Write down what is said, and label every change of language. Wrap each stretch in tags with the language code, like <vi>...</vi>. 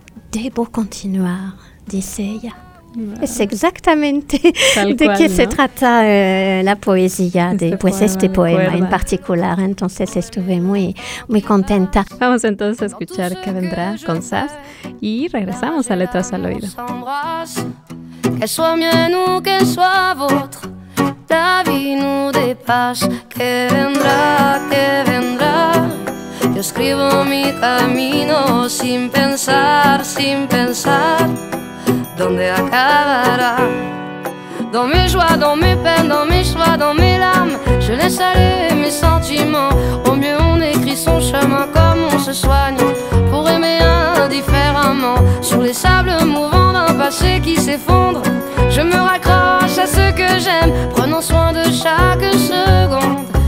<es>Debo continuar, dice ella. Wow. Es exactamente de qué se trata la poesía, este poema en particular. Entonces estuve muy, muy contenta. Vamos entonces a escuchar qué vendrá con Zaz y regresamos a Letras al Oído.</es> <fr>Que soit mien ou que soit votre, la vie nous dépasse.</fr> <es>Que vendrá, que vendrá. Yo escribo mi camino sin pensar, sin pensar. Donde acabará?</es> <fr>Dans mes joies, dans mes peines, dans mes choix, dans mes larmes, je laisse aller mes sentiments. Au mieux, on écrit son chemin comme on se soigne pour aimer indifféremment. Sur les sables mouvants d'un passé qui s'effondre, je me raccroche à ce que j'aime, prenant soin de chaque seconde.</fr>